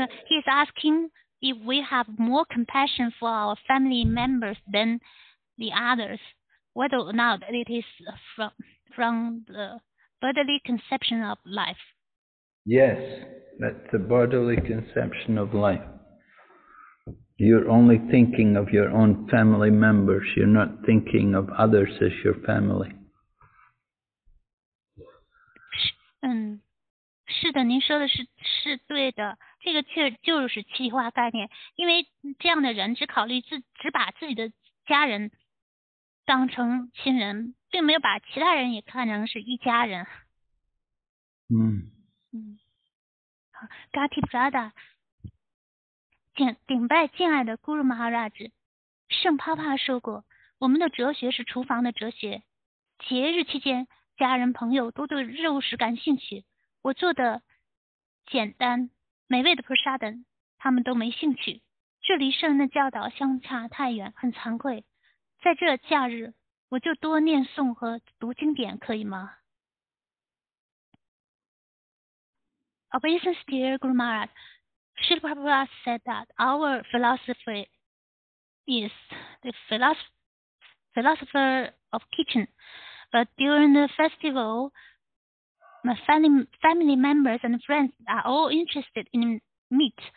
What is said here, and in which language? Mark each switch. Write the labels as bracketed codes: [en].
[en] He is asking if we have more compassion for our family members than the others, whether or not it is from the bodily conception of life. Yes, that's the bodily conception of life. You're only thinking of your own family members. You're not thinking of others as your family. [zh] 是的，您说的是对的，这个确就是气化概念，因为这样的人只考虑只把自己的家人当成亲人，并没有把其他人也看成是一家人。 Gati Prada， 顶拜敬爱的 Guru Maharaj， 圣帕帕说过，我们的哲学是厨房的哲学，节日期间家人朋友都对肉食感兴趣，我做的简单美味的 prasadam 他们都没兴趣，这离圣人的教导相差太远，很惭愧。在这假日我就多念诵和读经典，可以吗？ [en] Obeisance dear Guru Maharaj, Srila Prabhupada said that our philosophy is the philosopher of kitchen. But during the festival, my family members and friends are all interested in meat.